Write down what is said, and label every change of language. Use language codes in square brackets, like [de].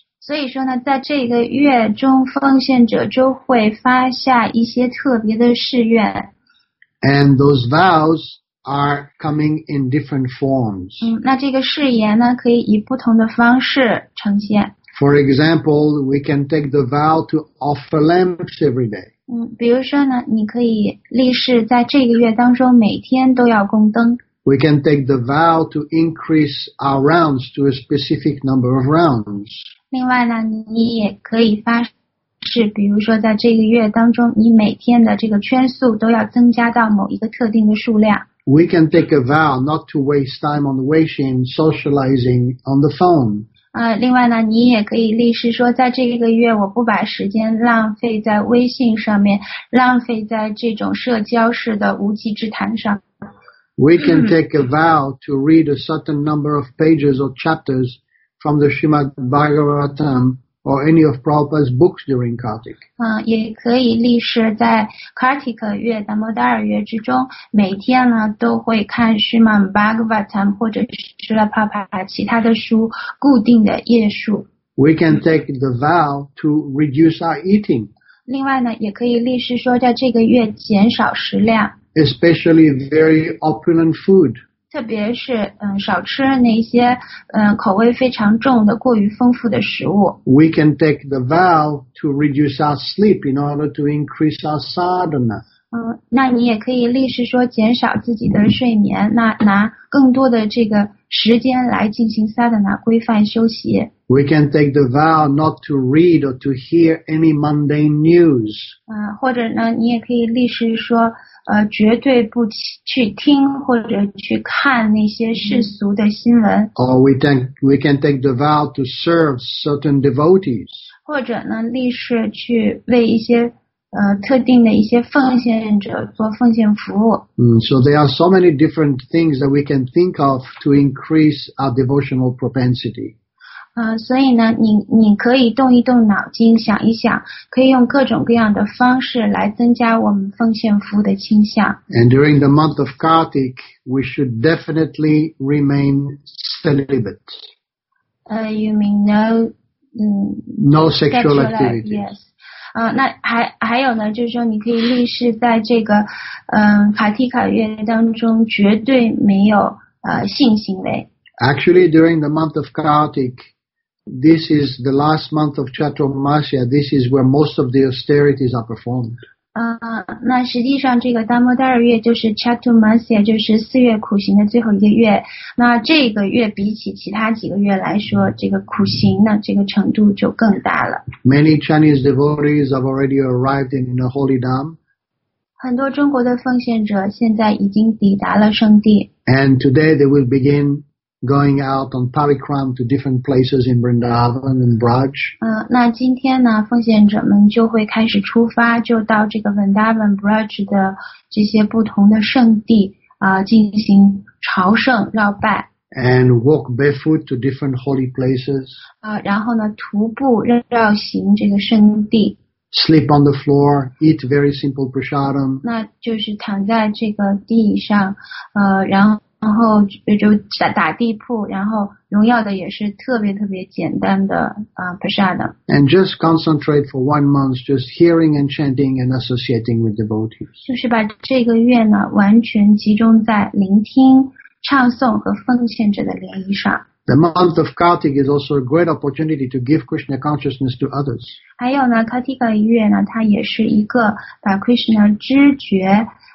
[zh] 所以说呢，在这个月中，奉献者就会发下一些特别的誓愿。 [en] And those vows are coming in different forms. [zh] 那这个誓言呢，可以以不同的方式呈现。 [en] For example, we can take the vow to offer lamps every day. [zh] 比如说呢，你可以立誓在这个月当中每天都要供灯。 [en] We can take the vow to increase our rounds to a specific number of rounds. [zh] 另外呢，你也可以发誓，比如说在这个月当中，你每天的这个圈数都要增加到某一个特定的数量。 [en] We can take a vow not to waste time on wishing, socializing on the phone. [zh] 另外呢，你也可以立誓说，在这个月我不把时间浪费在微信上面，浪费在这种社交式的无稽之谈上。 [en] We can take a vow to read a certain number of pages or chapters from the Srimad Bhagavatam or any of Prabhupada's books during Kartik. [zh] 也可以立誓在 Kartik 月、达摩达尔月之中，每天呢都会看 Srimad Bhagavatam 或者是 Prabhupada 其他的书，固定的页数。 [en] We can take the vow to reduce our eating. [zh] 另外呢，也可以立誓说在这个月减少食量。 [en] Especially very opulent food. [zh] 特别是少吃那些口味非常重的过于丰富的食物。 [en] We can take the vow to reduce our sleep in order to increase our sadhana. [zh] 那你也可以立誓说减少自己的睡眠，那拿更多的这个时间来进行 sadhana 规范休息。 [en] We can take the vow not to read or to hear any mundane news. [zh] 或者呢，你也可以立誓说绝对不去听或者去看那些世俗的新闻。 [en] Or we can take the vow to serve certain devotees. [zh] 或者呢，立誓去为一些特定的一些奉献者做奉献服务。 [en] So there are so many different things that we can think of to increase our devotional propensity. [zh] 所以呢，你可以动一动脑筋，想一想，可以用各种各样的方式来增加我们奉献服务的倾向。 [en] And during the month of Kartik, we should definitely remain celibate. You mean no, no sexual activity? Yes. [zh] 那还有呢，就是说你可以立誓在这个卡提卡月当中绝对没有性行为。 [en] Actually, during the month of Kartik. This is the last month of Chaturmasya. This is where most of the austerities are performed. [zh] 那实际上这个达摩达尔月就是 Chaturmasya, 就是四月苦行的最后一个月。那这个月比起其他几个月来说，这个苦行呢，这个程度就更大了。 [en] Many Chinese devotees have already arrived in the Holy Dham. [zh] 很多中国的奉献者现在已经抵达了圣地。 [en] And today they will begin. Going out on parikram to different places in Vrindavan and Braj. [zh] 那今天呢，奉献者们就会开始出发，就到这个 Vrindavan Braj 的这些不同的圣地进行朝圣绕拜。 [en] And walk barefoot to different holy places. [zh] 然后呢，徒步绕行这个圣地。 [en] Sleep on the floor, eat very simple prasadam. [zh] 那就是躺在这个地上，然后。然后就打地铺，然后荣耀的也是特别特别简单的prasada。 [en] And just concentrate for 1 month, just hearing and chanting and associating with devotees. [zh] 就是把这个月呢，完全集中在聆听、唱诵和奉献者的联谊上。 [en] The month of Kartik is also a great opportunity to give Krishna consciousness to others. [zh] 还有呢 ，Kartika 月呢，它也是一个把 Krishna 知觉。